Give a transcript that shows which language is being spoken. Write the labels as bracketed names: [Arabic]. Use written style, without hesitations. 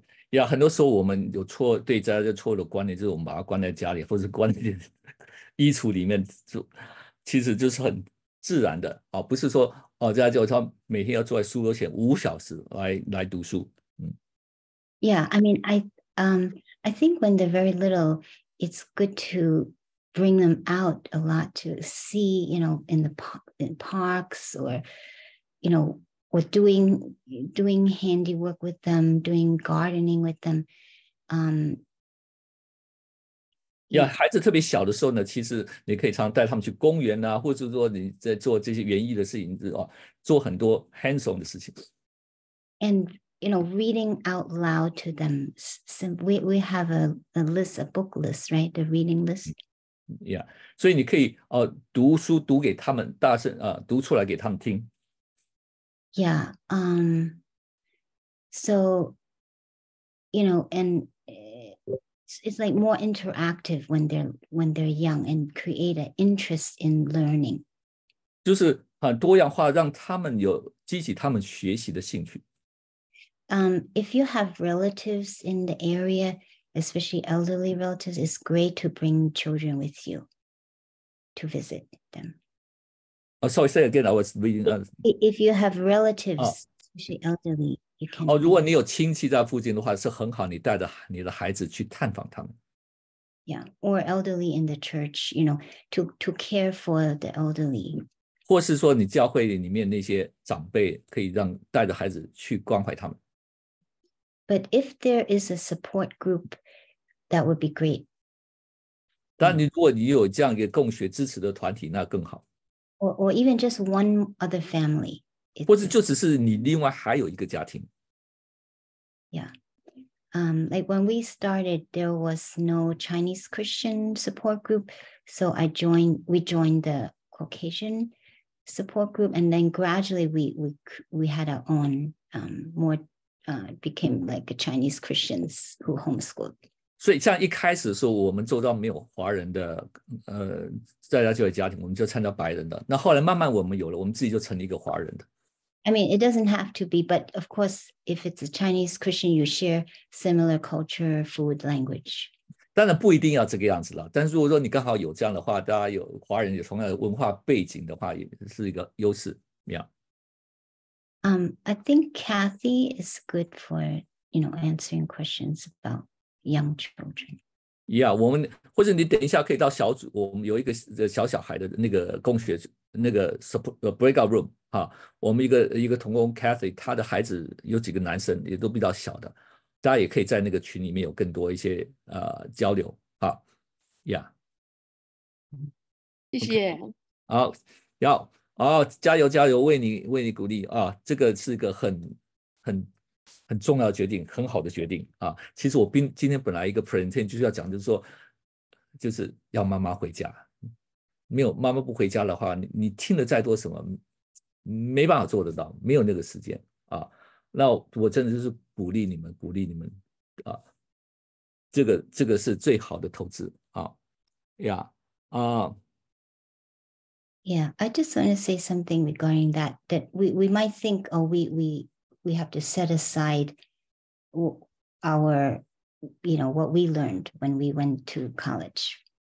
[Chinese] Yeah, 很多时候我们有错对家就错的观念，就是我们把它关在家里或者关在衣橱里面，其实就是很自然的，不是说家就他每天要坐在书桌前5小时 来读书。 [English] Yeah, I mean, I think when they're very little, it's good to bring them out a lot to see, you know, in parks or, you know,with doing handiwork with them, doing gardening with them. [Chinese] Yeah, 孩子特别小的时候呢，其实你可以常带他们去公园啊，或者说你在做这些园艺的事情，做很多 hands-on 的事情。 [English] And, you know, reading out loud to them. We have a list, a book list, right? The reading list. [Chinese] Yeah, 所以你可以读书读给他们大声读出来给他们听。 [English] Yeah, so, you know, and it's like more interactive when they're young and create an interest in learning. [Chinese] 就是很多样化让他们有激起他们学习的兴趣。 [English] If you have relatives in the area, especially elderly relatives, it's great to bring children with you to visit them. Sorry, say again, I was reading. If you have relatives, especially elderly, you can. [Chinese] 如果你有亲戚在附近的话，是很好，你带着你的孩子去探访他们。 [English] Yeah, or elderly in the church, you know, to care for the elderly. [Chinese] 或是说你教会里面那些长辈可以让带着孩子去关怀他们。 [English] But if there is a support group, that would be great. [Chinese] 但如果你有这样一个共学支持的团体，那更好。 [English] Or even just one other family. [Chinese] 或者就只是你另外还有一个家庭。 [English] Yeah. Like when we started, there was no Chinese Christian support group. So we joined the Caucasian support group. And then gradually we had our own, became like a Chinese Christians who homeschooled. [Chinese] 所以像一开始的时候我们周遭没有华人的在家教育家庭，我们就参加白人的，那后来慢慢我们有了，我们自己就成了一个华人的。 [English] I mean it doesn't have to be, but of course if it's a Chinese Christian you share similar culture, food, language. [Chinese] 当然不一定要这个样子了，但是如果说你刚好有这样的话，大家有华人有同样的文化背景的话，也是一个优势。 [English] I think Kathy is good for, you know, answering questions aboutyoung children. [Chinese] Yeah, 我们或者你等一下可以到小组，我们有一个小小孩的那个共学那个 [English] support breakout room [Chinese] 啊，我们一个同工 Kathy， 他的孩子有几个男生也都比较小的，大家也可以在那个群里面有更多一些交流啊。Yeah，谢谢。好，要加油加油，为你鼓励啊，这个是一个很很重要的决定，很好的决定啊。其实我今天本来一个 presentation 就是要讲，就是说，就是要妈妈回家。没有妈妈不回家的话，你听的再多什么，没办法做得到，没有那个时间啊。那我真的就是鼓励你们，鼓励你们啊。这个是最好的投资啊。 [English] Yeah, I just want to say something regarding that we might think, oh, we have to set aside our, you know, what we learned when we went to college.